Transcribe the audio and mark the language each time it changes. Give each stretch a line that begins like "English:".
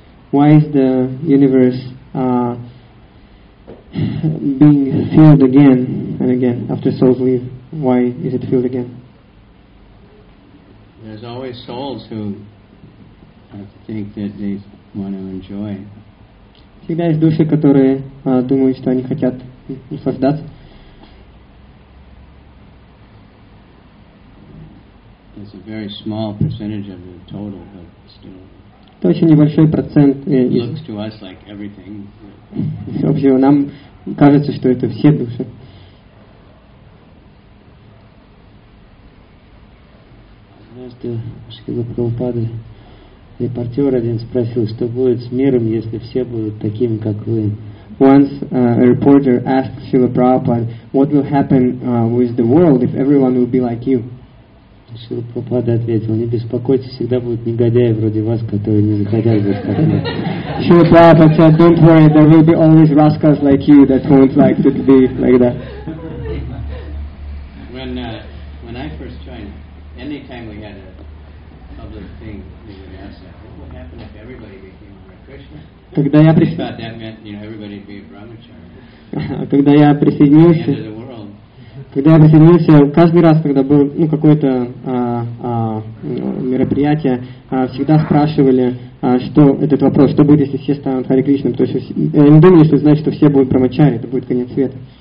English: Why is the universe being filled again and again after souls leave? Why is it filled again? There's always souls who think that they want to enjoy.
Russian: Всегда есть души, которые думают, что они хотят наслаждаться.
English: It's a very small percentage of the total, but still.
Russian: Это очень небольшой процент.
English: Looks to us like everything.
Russian: Вообще, нам кажется, что это все души. Однажды Шрила Прабхупада, репортер один спросил, что будет с миром, если все будут такими, как вы.
English: Once a reporter asked Шрила Прабхупада, what will happen with the world if everyone will be like you?
Russian: Шрила Прабхупада ответил, не беспокойтесь, всегда будут негодяи вроде вас, которые не захотят быть как мы.
English: Шрила Прабхупада said, don't worry, there will be always rascals like you that won't like to be like that. When I first joined, any time we had a public thing, they would ask that, what would happen if everybody became Hare Krishna?
Russian: Когда я
English: thought that meant, you know, everybody would be a brahmacharya.
Russian: Когда я присоединился, когда я присоединился, каждый раз, когда был ну, какое-то мероприятие, всегда спрашивали, что этот вопрос, что будет, если все станут Харе Кришна. То есть они думали, что это значит, что все будут брамачари, это будет конец света.